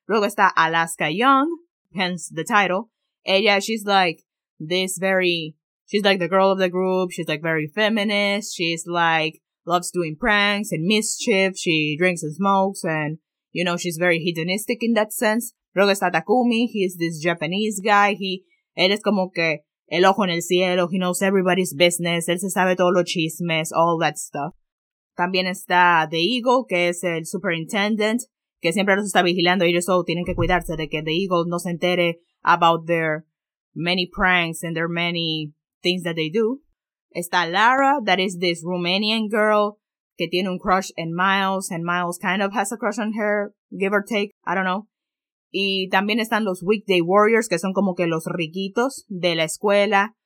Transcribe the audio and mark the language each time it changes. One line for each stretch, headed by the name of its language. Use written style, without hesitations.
Spanish: Luego está
English: Alaska Young, hence the title. And yeah, she's like the girl of the group. She's like very feminist. She's like loves doing pranks and mischief. She drinks and smokes and, you know, she's very hedonistic in that sense.
Spanish: Luego está
English: Takumi. He's this Japanese guy.
Spanish: Él es como que el ojo en el cielo.
English: He knows everybody's business.
Spanish: Él se sabe todos los chismes,
English: all that stuff.
Spanish: También está The Eagle, que es el superintendent, que siempre los está vigilando. Ellos solo tienen que cuidarse de que The Eagle no se entere
English: about their many pranks and their many things that they do.
Spanish: Está
English: Lara, that is this Romanian girl,
Spanish: que tiene un crush en
English: Miles, and Miles kind of has a crush on her, give or take, I don't know.
Spanish: Y también están los Weekday Warriors, que son como que los riquitos de la escuela.